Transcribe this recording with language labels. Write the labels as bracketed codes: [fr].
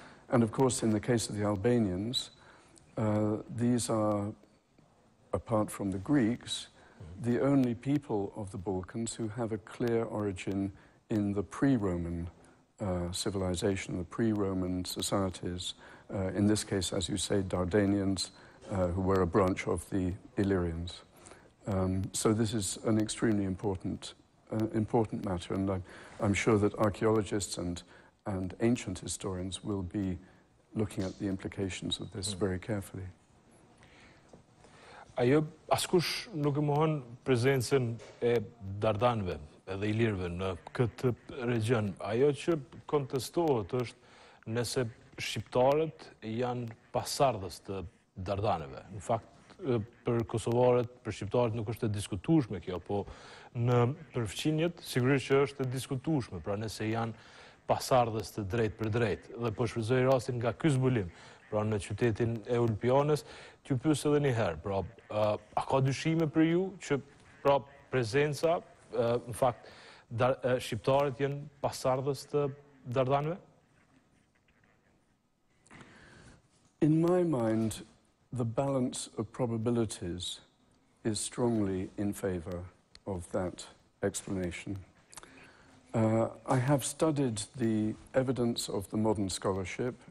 [en] And of course, in the case of the Albanians, these are, apart from the Greeks, the only people of the Balkans who have a clear origin in the pre-Roman civilization, the pre-Roman societies, in this case, as you say, Dardanians, who were a branch of the Illyrians. So this is an extremely important important matter, and I'm sure that archaeologists and ancient historians will be looking at the implications of this very carefully. [sq] Ajo, askush nuk e mohon prezencën e Dardanëve edhe Ilirëve në këtë region. Ajo që kontestohet është nëse shqiptarët janë pasardhës të Dardanëve. Në fakt, për kosovarët, për shqiptarët nuk është e diskutueshme kjo, po në përfqinjet sigurisht që është e diskutueshme, pra nëse janë pasardhës të drejtë për drejtë. Dhe po shfrytëzoj rastin nga ky zbulim pra në qytetin e Ulpianës. T'ju pyes edhe një herë, pra, a ka dyshime për ju që pra prezenca, në fakt, shqiptarët janë pasardhës të Dardanëve? [en] In my mind, the balance of probabilities is strongly in favor of that explanation. I have studied the evidence of the modern scholarship.